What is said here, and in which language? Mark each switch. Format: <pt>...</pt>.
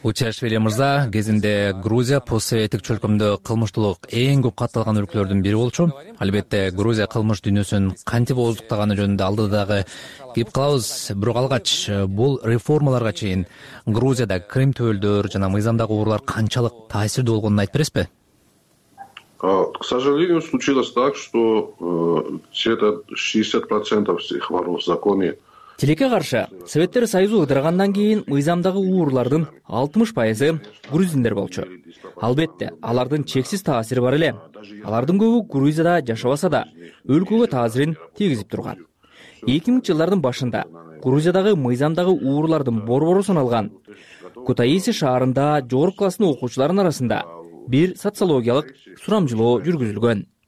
<ky>Утиашвили мырза, кезинде Грузия постсоветтик чөлкөмдө кылмыштуулук эң көп катталган өлкөлөрдүн бири болчу. Албетте, Грузия кылмыш дүйнөсүн кантип ооздуктаганы жөнүндө алдыда дагы кеп калабыз. Бирок алгач бул реформаларга чейин Грузияда крим төбөлдөр жана мыйзамдагы оорулар канчалык таасирдүү болгонун айтып бересизби?</ky> <ru>К сожалению, случилось так, что где-то 60% всех воров в законе.</ru> <ky>Тилекке каршы советтер союзу ыдыргандан кийин мыйзамдагы уурлардын 60% грузиндер болчу. Албетте, алардын чексиз таасири бар эле. Алардын көбү Грузияда жашабаса да, өлкөгө таасирин тийгизип турган. 2000 жылдардын башында Грузиядагы мыйзамдагы уурлардын борбору саналган Кутаиси шаарында жогорку класстын окуучуларынын арасында бир социологиялык сурамжылоо жүргүзүлгөн.</ky>